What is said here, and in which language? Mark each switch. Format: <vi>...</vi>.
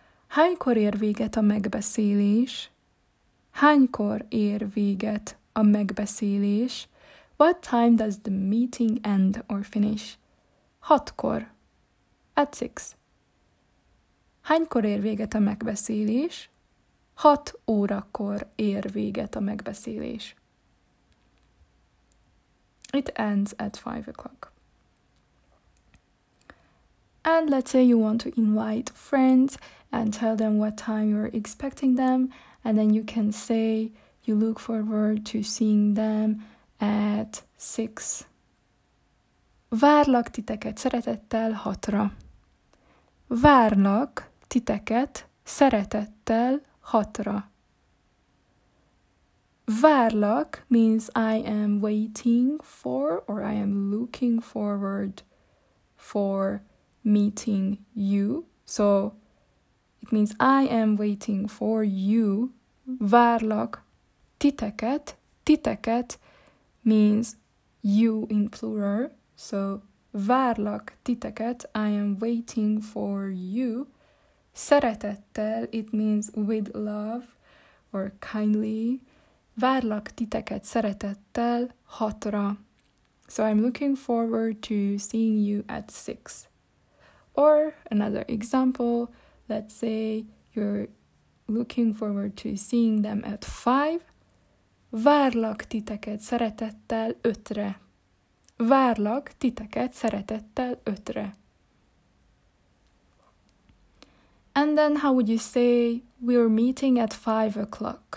<hu>Hánykor ér véget a megbeszélés? Hánykor ér véget a megbeszélés?</hu> <en>What time does the meeting end or finish?</en> <hu>6-kor.</hu> <en>At 6.</en> <hu>Hánykor ér véget a megbeszélés? 6 órakor ér véget a megbeszélés.</hu> <en>It ends at 5:00. And let's say you want to invite friends and tell them what time you're expecting them, and then you can say you look forward to seeing them at 6.</en> <hu>Várlak titeket szeretettel 6-ra. Várlak titeket szeretettel 6-ra.</hu> <en>Várlak means I am waiting for or I am looking forward for meeting you. So it means I am waiting for you.</en> <hu>Várlak titeket, titeket</hu> <en>means you in plural. So</en> <hu>várlak titeket,</hu> <en>I am waiting for you.</en> <hu>Szeretettel,</hu> <en>it means with love or kindly.</en> <hu>Várlak titeket szeretettel 6-ra.</hu> <en>So I'm looking forward to seeing you at 6. Or another example, let's say you're looking forward to seeing them at 5.</en> <hu>Várlak titeket szeretettel 5-re. Várlak titeket szeretettel 5-re.</hu> <en>And then how would you say we're meeting at 5:00?</en>